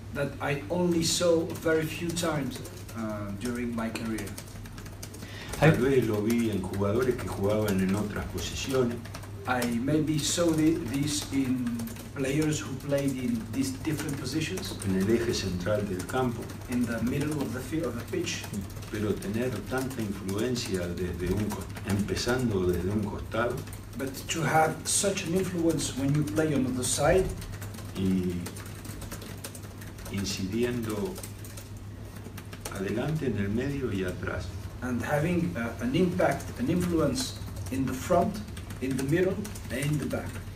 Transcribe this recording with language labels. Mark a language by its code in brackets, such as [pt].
[en] That I only saw very few times during my career. [es] Tal vez lo vi en jugadores que jugaban en otras posiciones. [en] I maybe saw this in players who played in these different positions. [es] En el eje central del campo. [en] In the middle of the field, of the pitch. [es] Pero tener tanta influencia desde un empezando desde un costado. [en] But to have such an influence when you play on the side. [es] Y incidiendo adelante, en el medio y atrás. [en] And having an impact, an influence in the front, in the middle, and in the back.